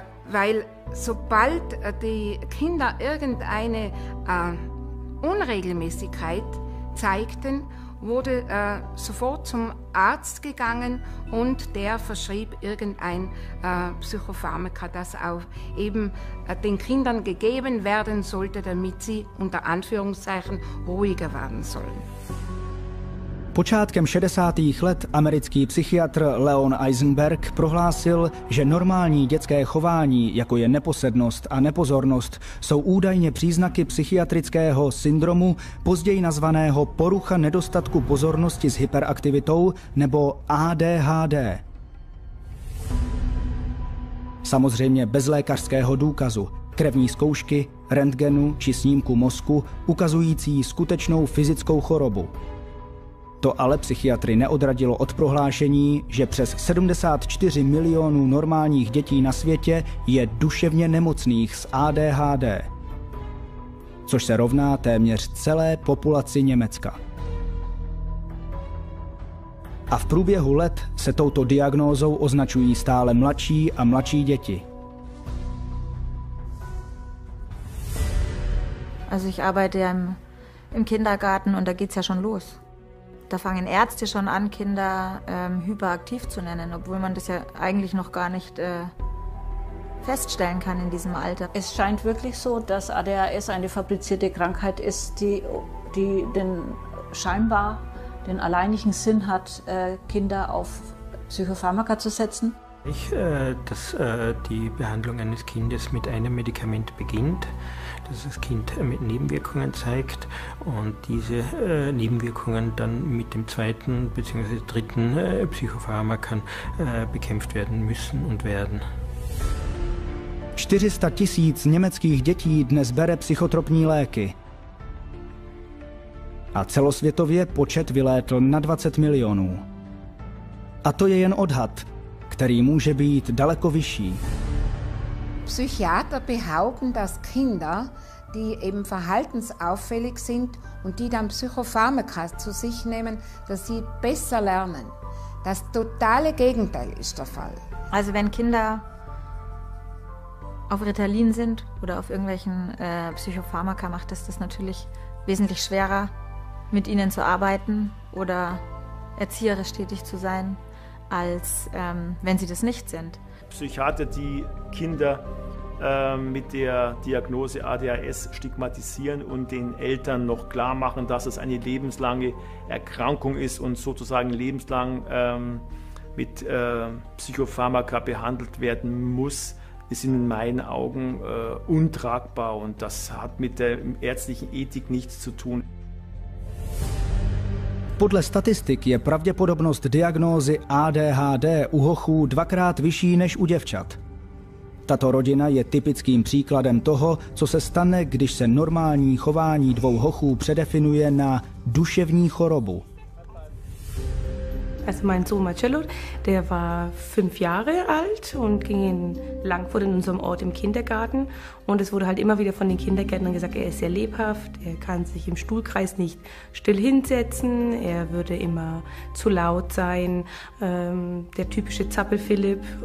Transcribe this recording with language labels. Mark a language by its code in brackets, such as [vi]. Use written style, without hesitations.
[de] Weil sobald die Kinder irgendeine Unregelmäßigkeit zeigten, wurde sofort zum Arzt gegangen und der verschrieb irgendein Psychopharmaka, das auch eben den Kindern gegeben werden sollte, damit sie unter Anführungszeichen ruhiger werden sollen. [cs] Počátkem 60. let americký psychiatr Leon Eisenberg prohlásil, že normální dětské chování, jako je neposednost a nepozornost, jsou údajně příznaky psychiatrického syndromu, později nazvaného porucha nedostatku pozornosti s hyperaktivitou nebo ADHD. Samozřejmě bez lékařského důkazu, krevní zkoušky, rentgenu či snímku mozku, ukazující skutečnou fyzickou chorobu. To ale psychiatry neodradilo od prohlášení, že přes 74 milionů normálních dětí na světě je duševně nemocných s ADHD, což se rovná téměř celé populaci Německa. A v průběhu let se touto diagnózou označují stále mladší a mladší děti. [de] Also ich arbeite im Kindergarten und da geht's ja schon los. Da fangen Ärzte schon an, Kinder hyperaktiv zu nennen, obwohl man das ja eigentlich noch gar nicht feststellen kann in diesem Alter. Es scheint wirklich so, dass ADHS eine fabrizierte Krankheit ist, die den alleinigen Sinn hat, Kinder auf Psychopharmaka zu setzen. Ich, dass die Behandlung eines Kindes mit einem Medikament beginnt, dass das Kind mit Nebenwirkungen zeigt und diese Nebenwirkungen dann mit dem zweiten bzw. dritten Psychopharmakern bekämpft werden müssen und werden. [cs] 400 tisíc německých dětí dnes bere psychotropní léky. A celosvětově počet vylétl na 20 milionů. A to je jen odhad, který může být daleko vyšší. [de] Psychiater behaupten, dass Kinder, die eben verhaltensauffällig sind und die dann Psychopharmaka zu sich nehmen, dass sie besser lernen. Das totale Gegenteil ist der Fall. Also wenn Kinder auf Ritalin sind oder auf irgendwelchen Psychopharmaka, macht es das natürlich wesentlich schwerer, mit ihnen zu arbeiten oder erzieherisch tätig zu sein, als wenn sie das nicht sind. Psychiater, die Kinder mit der Diagnose ADHS stigmatisieren und den Eltern noch klar machen, dass es eine lebenslange Erkrankung ist und sozusagen lebenslang mit Psychopharmaka behandelt werden muss, ist in meinen Augen untragbar und das hat mit der ärztlichen Ethik nichts zu tun. [cs] Podle statistik je pravděpodobnost diagnózy ADHD u hochů dvakrát vyšší než u děvčat. Tato rodina je typickým příkladem toho, co se stane, když se normální chování dvou hochů předefinuje na duševní chorobu. [de] Also mein Sohn Marcello, der war 5 Jahre alt und ging in Langfurt in unserem Ort im Kindergarten. Und es wurde halt immer wieder von den Kindergärtnern gesagt, er ist sehr lebhaft, er kann sich im Stuhlkreis nicht still hinsetzen, er würde immer zu laut sein, der typische Zappel-Philipp.